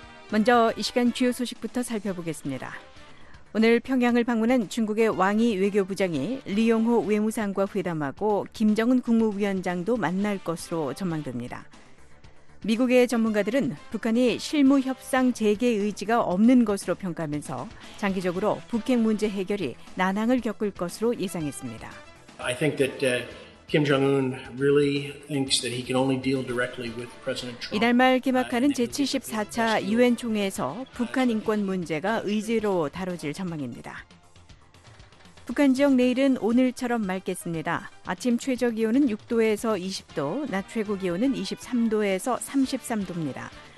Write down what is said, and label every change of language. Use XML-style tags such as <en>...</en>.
<ko>먼저 이 시간 주요 소식부터 살펴보겠습니다. 오늘 평양을 방문한 중국의 왕이 외교부장이 리용호 외무상과 회담하고 김정은 국무위원장도 만날 것으로 전망됩니다. 미국의 전문가들은 북한이 실무협상 재개 의지가 없는 것으로 평가하면서 장기적으로 북핵 문제 해결이 난항을 겪을 것으로 예상했습니다.</ko> <en>I think that Kim Jong-un really thinks that he can only deal directly with President Trump.</en> <ko>이날 말 개막하는 제74차 UN 총회에서 북한 인권 문제가 의제로 다뤄질 전망입니다. 북한 지역 내일은 오늘처럼 맑겠습니다. 아침 최저 기온은 6도에서 20도, 낮 최고 기온은 23도에서 33도입니다.</ko>